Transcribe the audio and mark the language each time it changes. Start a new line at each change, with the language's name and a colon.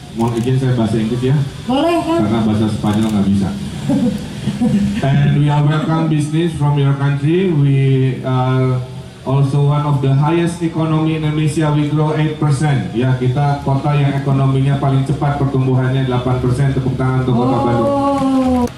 Indonesian: Mohon izin saya bahasa Inggris ya. Boleh kan? Karena bahasa Spanyol nggak bisa.
English: And we are welcome business from your country. We are also one of the highest economy in Indonesia. We grow 8%.
Indonesian: Ya, yeah, kita kota yang ekonominya paling cepat pertumbuhannya 8%. Tepuk tangan untuk kota Bandung.